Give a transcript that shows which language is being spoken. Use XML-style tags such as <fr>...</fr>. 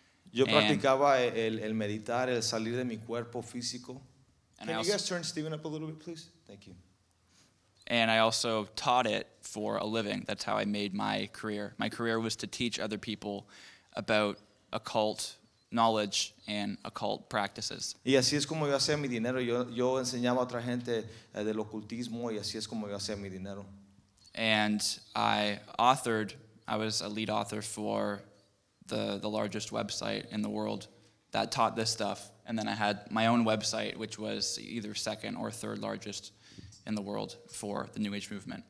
<es>Yo practicaba el meditar, el salir de mi cuerpo físico.</es> <en>Can you guys turn Stephen up a little bit, please? Thank you. And I also taught it for a living. That's how I made my career. My career was to teach other people about occult knowledge and occult practices.</en> <es>Y así es como yo hacía mi dinero. Yo enseñaba a otra gente del ocultismo, y así es como yo hacía mi dinero.</es> <en>And I was a lead author for the largest website in the world that taught this stuff. And then I had my own website, which was either second or third largest in the world for the New Age movement.</en>